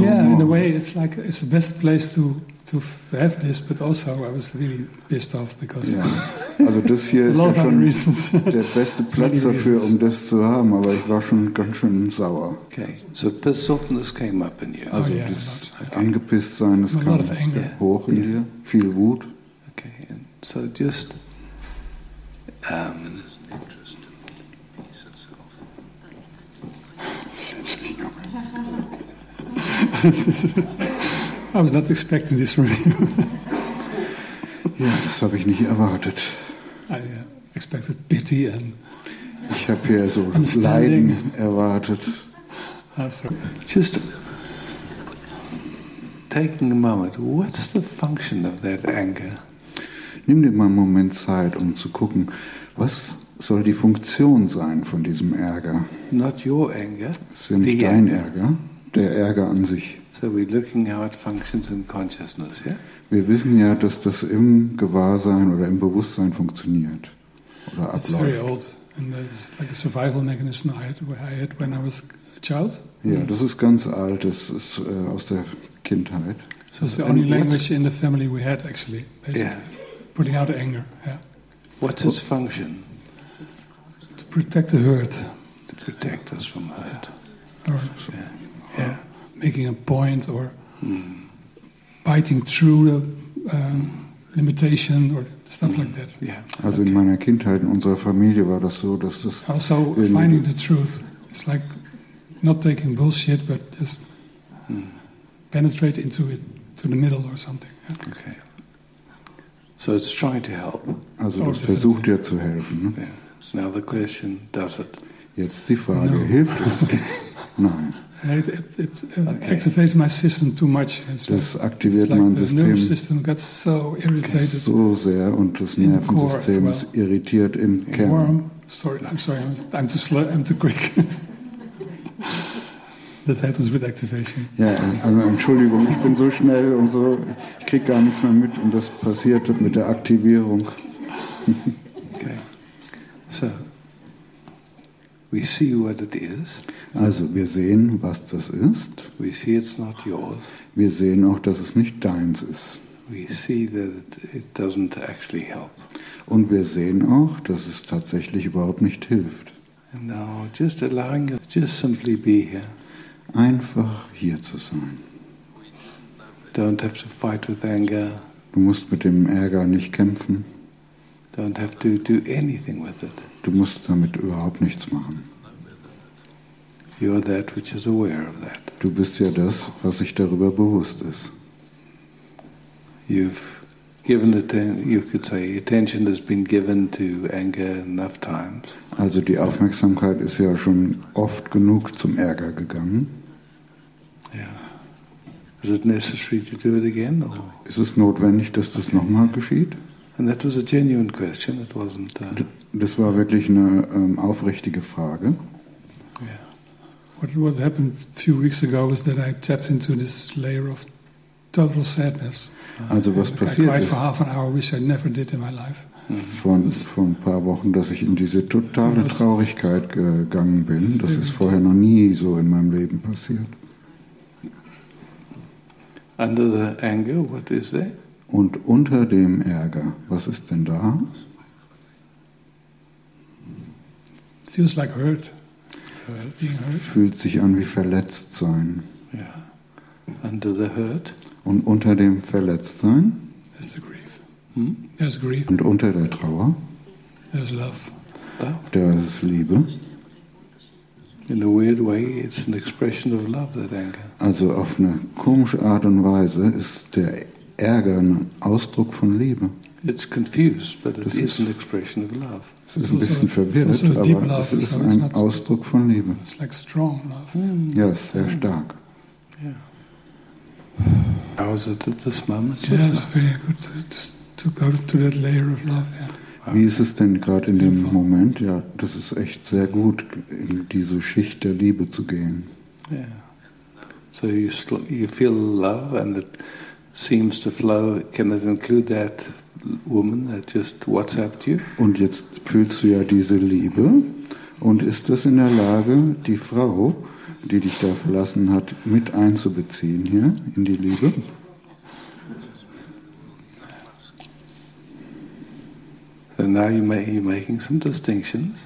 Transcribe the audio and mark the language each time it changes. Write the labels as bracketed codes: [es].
[en] Yeah, in a way, it's like it's the best place to. To have this, but also I was really pissed off because. Yeah. [de] Also das hier ist ja schon reasons. Der beste Platz dafür, um das zu haben, aber ich war schon ganz schön sauer. [en] Okay, so pissed offness came up in you. [de] Also yeah, das okay. Angepisst sein, das kam hoch in dir, viel Wut. [en] Okay, and so just. I was not expecting this from you. [de] Ja, das habe ich nicht erwartet. [en] I expected pity and. [de] Ich habe hier so Leiden erwartet. [en] Just taking a moment. What's the function of that anger? [de] Nimm dir mal einen Moment Zeit, um zu gucken, was soll die Funktion sein von diesem Ärger? [en] Not your anger. [de] Es ist ja nicht dein Ärger, der Ärger an sich. [en] So we're looking how it functions in consciousness, yeah? [de] Wir wissen ja, dass das im Gewahrsein oder im Bewusstsein funktioniert oder abläuft. [en] It's very old and it's like a survival mechanism I had when I was a child. [de] Ja, das ist ganz alt, das ist aus der Kindheit. [en] So it's the only language in the family we had actually, basically. Yeah. Putting out anger, yeah. What's its function? To protect the hurt. To protect us from hurt. Yeah. Making a point or biting through the limitation or stuff like that. Yeah. [de] Also okay. In meiner Kindheit, in unserer Familie war das so, dass das... [en] Also finding the truth. It's like not taking bullshit, but just penetrate into it, to the middle or something. Yeah. Okay. So it's trying to help. [de] Also es versucht ja zu helfen. Ne? [en] Yeah. Now the question, does it? [de] Jetzt die Frage, [en] no. [de] Hilft es? Nein. [en] It activates my system too much. It's, [de] das aktiviert [en] it's like [de] mein System. [en] The nervous system got so irritated. [de] So sehr und das Nervensystem ist irritiert im Kern. [en] Warm. Sorry, I'm sorry. I'm too slow. I'm too quick. That happens with activation. [de] Ja, also Entschuldigung, ich bin so schnell und so. Ich krieg gar nichts mehr mit und das passiert mit der Aktivierung. [en] Okay. So. We see what it is. [de] Also, wir sehen, was das ist. [en] We see it's not yours. [de] Wir sehen auch, dass es nicht deins ist. [en] We see that it doesn't actually help. [de] Und wir sehen auch, dass es tatsächlich überhaupt nicht hilft. [en] And now, just allowing it, just simply be here. [de] Einfach hier zu sein. [en] Don't have to fight with anger. [de] Du musst mit dem Ärger nicht kämpfen. [en] Don't have to do anything with it. [de] Du musst damit überhaupt nichts machen. [en] You're that which is aware of that. [de] Du bist ja das, was sich darüber bewusst ist. [en] You've given you could say attention has been given to anger enough times. [de] Also die Aufmerksamkeit ist ja schon oft genug zum Ärger gegangen. [en] Yeah. Is it necessary to do it again? Or? [de] Ist es notwendig, dass das nochmal geschieht? [en] And that was a genuine question. It wasn't. [de] Das war wirklich eine aufrichtige Frage. [en] Yeah. What happened a few weeks ago was that I tapped into this layer of total sadness. [de] Also was passiert ist? [en] I cried for half an hour, which I never did in my life. [de] Von ein paar Wochen, dass ich in diese totale Traurigkeit gegangen bin. Das ist vorher noch nie so in meinem Leben passiert. [en] Under the anger, what is there? [de] Und unter dem Ärger, was ist denn da? [en] It feels like hurt. [de] Fühlt sich an wie verletzt sein. [en] Yeah. Under the hurt. [de] Und unter dem verletzt sein? [en] There's the grief. There's grief. [de] Und unter der Trauer? [en] There's love. [de] Da ist Liebe. [en] In a weird way, it's an expression of love, that anger. [de] Also auf eine komische Art und Weise ist der Ärger ein Ausdruck von Liebe. [en] It's confused, but it is an expression of love. [de] Es ist ein bisschen verwirrt, aber es ist ein Ausdruck von Liebe. [en] It's like strong love. [de] Ja, es ist sehr stark. [en] Yeah. How is it at this moment? Yeah, it's very good to go to that layer of love, yeah. [de] Wie ist es denn gerade in dem Moment? Ja, das ist echt sehr gut, in diese Schicht der Liebe zu gehen. [en] Yeah. So you feel love and it seems to flow. Can it include that woman that just WhatsApped you? [de] Und jetzt fühlst du ja diese Liebe. Und ist das in der Lage, die Frau, die dich da verlassen hat, mit einzubeziehen hier in die Liebe? [en] And now you're making some distinctions.